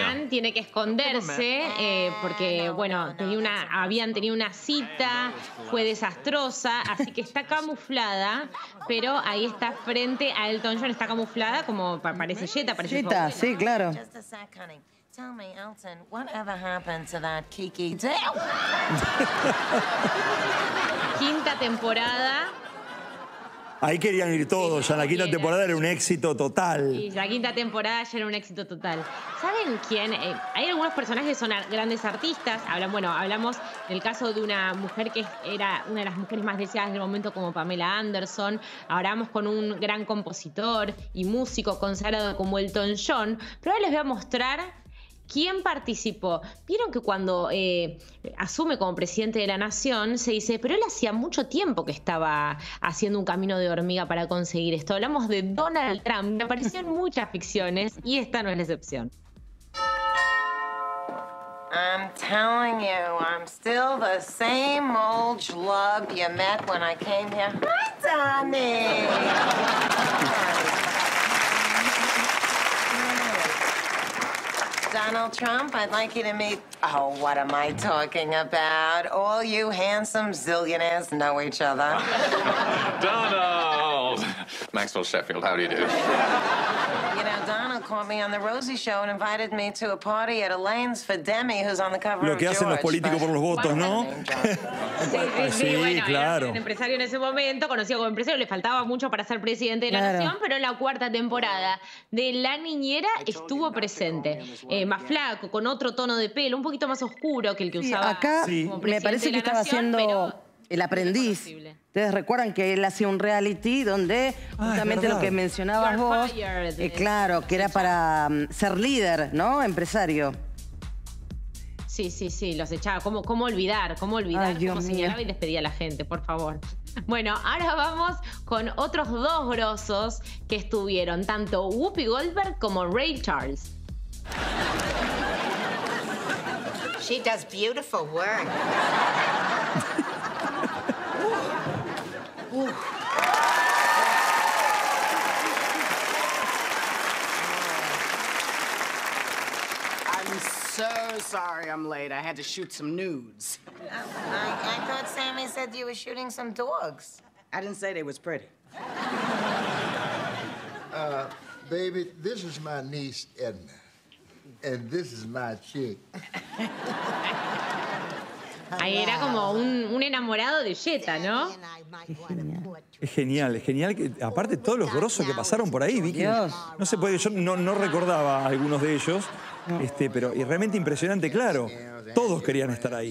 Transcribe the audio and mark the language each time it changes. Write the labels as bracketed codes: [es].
[es] Ahí Fran tiene que esconderse porque, bueno, habían tenido una cita, fue desastrosa, así que está camuflada, pero ahí está frente a Elton John, está camuflada como parece Jetta. Jetta, sí, claro. [en] Tell me, Elton, whatever happened to that Kiki Dale? [es] Quinta temporada. Ahí querían ir todos. Sí, ya la quinta temporada era un éxito total. Sí, la quinta temporada ya era un éxito total. ¿Saben quién? Hay algunos personajes que son grandes artistas. Hablamos del caso de una mujer que era una de las mujeres más deseadas del momento, como Pamela Anderson. Ahora vamos con un gran compositor y músico consagrado como Elton John. Pero ahora les voy a mostrar... ¿Quién participó? Vieron que cuando asume como presidente de la nación, se dice, pero él hacía mucho tiempo que estaba haciendo un camino de hormiga para conseguir esto. Hablamos de Donald Trump, que apareció en muchas ficciones y esta no es la excepción. [en] I'm telling you, I'm still the same old schlub you met when I came here. Hi, Tommy. Donald Trump, I'd like you to meet... Oh, what am I talking about? All you handsome zillionaires know each other. Donald! Maxwell Sheffield, how do you do? You know, Donald called me on the Rosie Show and invited me to a party at Elaine's for Demi, who's on the cover [es] lo [en] of George. [es] Lo que hacen los políticos por los votos, ¿no? Sí, bueno, claro. Era un empresario en ese momento, conocido como empresario, le faltaba mucho para ser presidente de la nación, pero en la cuarta temporada de La Niñera estuvo presente. Más flaco, con otro tono de pelo, un poquito más oscuro que el que usaba. Acá me parece que estaba haciendo el aprendiz. Ustedes recuerdan que él hacía un reality donde justamente lo que mencionabas vos, claro, que era para ser líder, ¿no? Empresario. Sí, sí, sí, los echaba. ¿Cómo olvidar? Ay, ¿cómo señalaba y despedía a la gente? Por favor. Bueno, ahora vamos con otros dos grosos que estuvieron, tanto Whoopi Goldberg como Ray Charles. [en] She does beautiful work. Ooh. Ooh. so sorry I'm late. I had to shoot some nudes. I thought Sammy said you were shooting some dogs. I didn't say they was pretty. Baby, this is my niece, Edna. And this is my chick. [es] Ahí era como un enamorado de Jetta, ¿no? Es genial. Que, aparte, todos los grosos que pasaron por ahí, Vicky. Dios. No se puede, yo no recordaba a algunos de ellos. No. Y realmente impresionante, claro. Todos querían estar ahí.